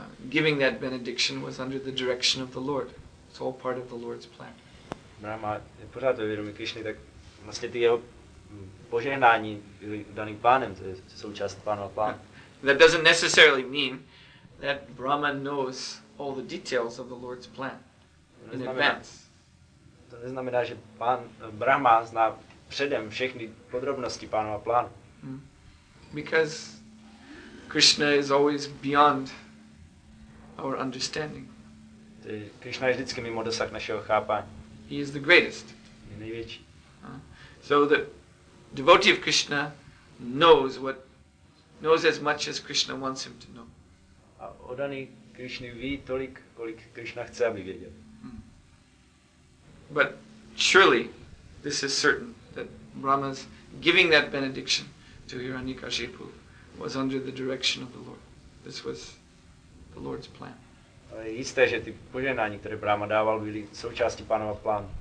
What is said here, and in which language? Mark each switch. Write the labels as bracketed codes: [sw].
[en] Giving that benediction was under the direction of the Lord. It's all part of the Lord's plan. [cs] Brahma je pořád ve vědomí Krishny, tak vlastně ty jeho požehnání byly dané pánem, to je součást pánova plán. [en] That doesn't necessarily mean that Brahma knows all the details of the Lord's plan in advance. [cs] To neznamená, že pán Brahma zná předem všechny podrobnosti pánova plánu. [en] Because Krishna is always beyond our understanding. [cs] Krishna je vždycky mimo dosah našeho chápání. [en] He is the greatest. [cs] Je největší. [en] So the devotee of Krishna knows as much as Krishna wants him to know. [cs] A oddaný Krishna ví tolik, kolik Krishna chce, aby věděl. [en] But surely this is certain that Brahma's giving that benediction to Hiranyakashipu was under the direction of the Lord. This was the Lord's plan. [cs] Ale je jisté, že ty požehnání, které Brahma dával, byly součástí pánova plánu.